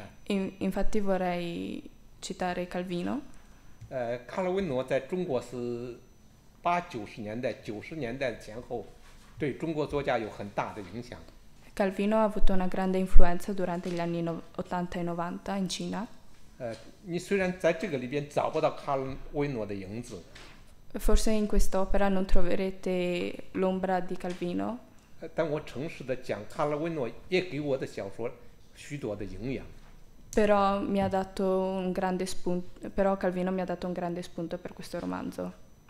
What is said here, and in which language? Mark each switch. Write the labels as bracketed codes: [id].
[it] Infatti vorrei citare Calvino. Calvino in Cina è [zh] 80-90年代前后对中国作家有很大的影响。 [it] Calvino ha avuto una grande influenza durante gli anni 80 e 90 in Cina. [zh] 你虽然在这个里边找不到卡尔维诺的影子。 [it] Forse in quest'opera non troverete l'ombra di Calvino. [zh] 但我诚实地讲，卡尔维诺也给我的小说许多的营养。 [it] Però mi ha dato un grande spunto. Però Calvino mi ha dato un grande spunto per questo romanzo.